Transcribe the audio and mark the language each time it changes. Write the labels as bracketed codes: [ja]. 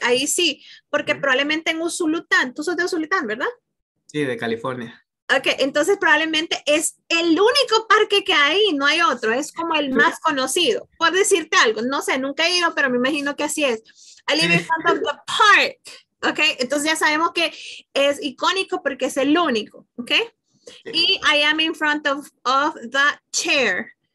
[es] Ahí sí, porque probablemente en Usulután, tú sos de Usulután, ¿verdad? Sí, de California. Ok, entonces probablemente es el único parque que hay, no hay otro, es como el más conocido. Por decirte algo, no sé, nunca he ido, pero me imagino que así es. [en] I live in front of the park, ok. [es] Entonces ya sabemos que es icónico porque es el único, ok. [en] Y I am in front of the chair.